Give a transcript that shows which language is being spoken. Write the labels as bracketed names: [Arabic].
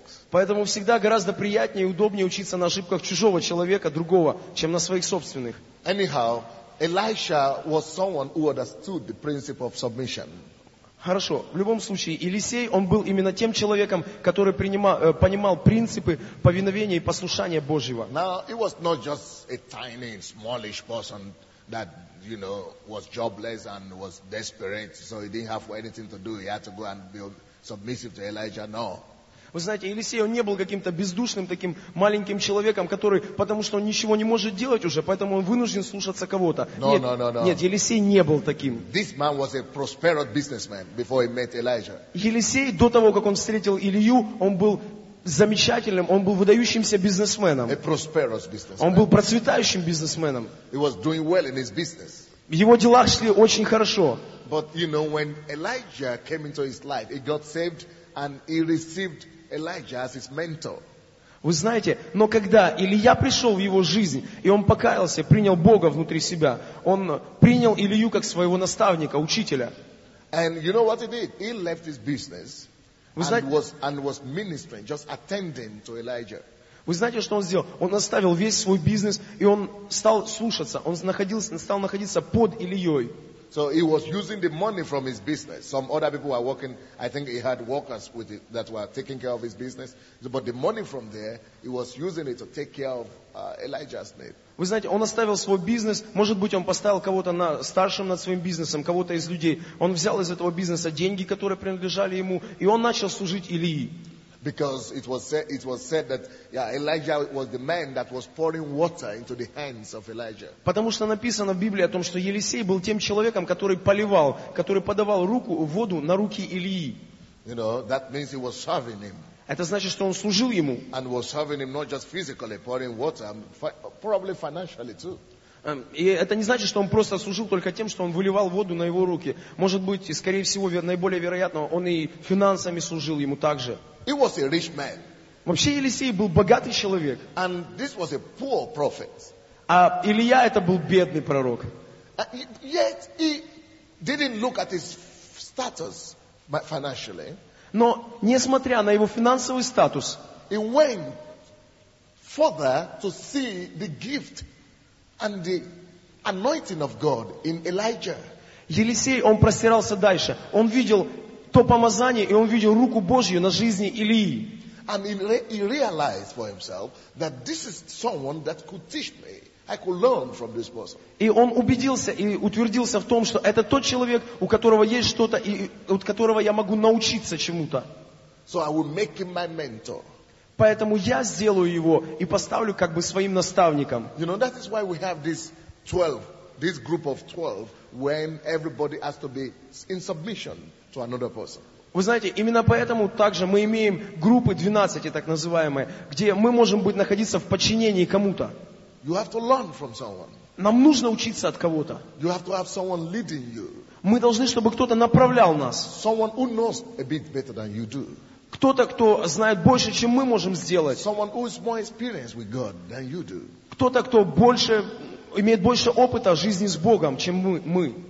[Russian] Поэтому всегда гораздо приятнее и удобнее учиться на ошибках чужого человека, другого, чем на своих собственных. [English] Anyhow, Elisha was someone who understood the principle of submission. [Russian] Хорошо, в любом случае, Елисей, он был именно тем человеком, который понимал принципы повиновения и послушания Божьего. [English] Now, he was not just a tiny, smallish person that, you know, was jobless and was desperate, so he didn't have anything to do, he had to go and be submissive to Elijah, no. [Russian] Вы знаете, Елисей, он не был каким-то бездушным таким маленьким человеком, который, потому что он ничего не может делать уже, поэтому он вынужден слушаться кого-то. Нет, Елисей не был таким. [English] This man was a prosperous businessman before he met Elijah. [Russian] Елисей, до того, как он встретил Илью, он был замечательным, он был выдающимся бизнесменом. [English] A prosperous businessman. [Russian] Он был процветающим бизнесменом. [English] He was doing well in his business. [Russian] Его дела шли очень хорошо. [English] But, you know, when Elijah came into his life, he got saved, and he received Elijah as his mentor. [Russian] Вы знаете, но когда Илия пришел в его жизнь, и он покаялся, принял Бога внутри себя, он принял Илию как своего наставника, учителя. [English] And you know what he did? He left his business and was ministering, just attending to Elijah. [Russian] Вы знаете, что он сделал? Он оставил весь свой бизнес, и он стал слушаться, он стал находиться под Илией. [English] So he was using the money from his business. Some other people were working. I think he had workers with it that were taking care of his business. But the money from there, he was using it to take care of Elijah's need. [Russian] Вы знаете, он оставил свой бизнес. Может быть, он поставил кого-то старшим над своим бизнесом, кого-то из людей. Он взял из этого бизнеса деньги, которые принадлежали ему, и он начал служить Илии. [English] Because it was said that Elijah was the man that was pouring water into the hands of Elijah. [Russian] Потому что написано в Библии о том, что Елисей был тем человеком, который поливал, который подавал руку воду на руки Илии. [English] You know, that means he was serving him. [Russian] Это значит, что он служил ему. [English] And was serving him not just physically pouring water, probably financially too. [Russian] И это не значит, что он просто служил только тем, что он выливал воду на его руки. Может быть, и скорее всего, наиболее вероятно, он и финансами служил ему также. [English] He was a rich man. [Russian] Вообще Елисей был богатый человек. [English] And this was a poor prophet. [Russian] А Илия это был бедный пророк. [English] Yet he didn't look at his status financially. [Russian] Но несмотря на его финансовый статус, [English] he went further to see the gift and the anointing of God in Elijah. [Russian] Елисей, он простирался дальше. Он видел то помазание, и он видел руку Божью на жизни Илии. [English] And he realized for himself that this is someone that could teach me. I could learn from this person. [Russian] И он убедился и утвердился в том, что это тот человек, у которого есть что-то, и от которого я могу научиться чему-то. [English] So I will make him my mentor. [Russian] Поэтому я сделаю его и поставлю как бы своим наставником. [English] You know, that is why we have this 12, this group of 12, when everybody has to be in submission to another person. [Russian] Вы знаете, именно поэтому также мы имеем группы 12, так называемые, где мы можем быть находиться в подчинении кому-то. [English] You have to learn from someone. [Russian] Нам нужно учиться от кого-то. [English] You have to have someone leading you. [Russian] Мы должны, чтобы кто-то направлял нас. [English] Someone who knows a bit better than you do. [Russian] Кто-то, кто знает больше, чем мы можем сделать. [English] Someone who is more experienced with God than you do. [Russian] Кто-то, кто больше, имеет больше опыта жизни с Богом, чем мы.